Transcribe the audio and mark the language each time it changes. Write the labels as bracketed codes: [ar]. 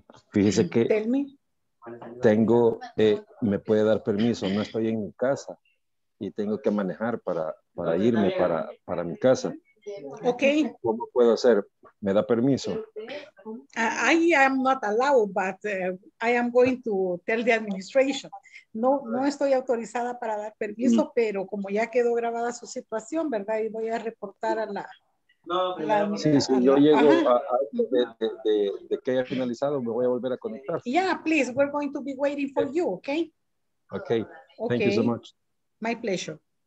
[es] Fíjese que tengo, me puede dar permiso, no estoy en mi casa y tengo que manejar para irme para mi casa. [en] Okay. [es] ¿Cómo puedo hacer? ¿Me da permiso? [en] I am not allowed, but I am going to tell the administration. [es] No estoy autorizada para dar permiso, pero como ya quedó grabada su situación, ¿verdad? Y voy a reportar a la... Sí, yo llego de que haya finalizado, me voy a volver a conectar. [en] Yeah, please, we're going to be waiting for you, okay? Okay, thank you so much. My pleasure.